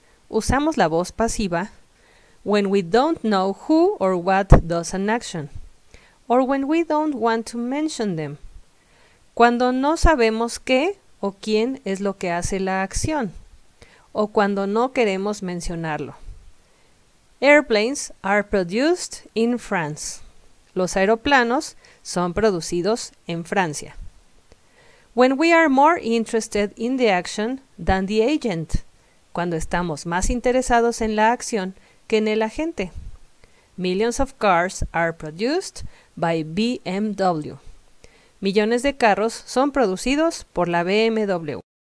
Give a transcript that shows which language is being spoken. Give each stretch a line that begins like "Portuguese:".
Spanish: Usamos la voz pasiva
English: when we don't know who or what does an action, or when we don't want to mention them.
Spanish: Cuando no sabemos qué o quién es lo que hace la acción, o cuando no queremos mencionarlo.
English: Airplanes are produced in France.
Spanish: Los aeroplanos son producidos en Francia.
English: When we are more interested in the action than the agent.
Spanish: Cuando estamos más interesados en la acción que en el agente.
English: Millions of cars are produced by BMW.
Spanish: Millones de carros son producidos por la BMW.